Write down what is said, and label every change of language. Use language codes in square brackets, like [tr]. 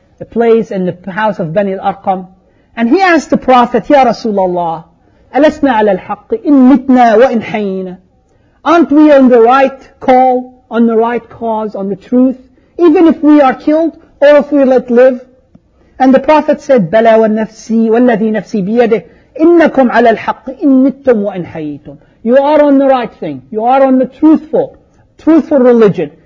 [en] a place in the house of Bani al-Arqam. And he asked the Prophet, Ya Rasulullah, [ar] أَلَسْنَا عَلَى الْحَقِّ إِن مِتْنَا وَإِن حَيْنَا. [en] Aren't we on the right call, on the right cause, on the truth, even if we are killed or if we let live? And the Prophet said, [ar] بَلَا وَالنَّفْسِي وَالَّذِي نَفْسِي بِيَدِهِ إِنَّكُمْ عَلَى الْحَقِّ إِن مِتْتُمْ وَإِن حَيْتُمْ. [en] You are on the right thing. You are on the truthful religion.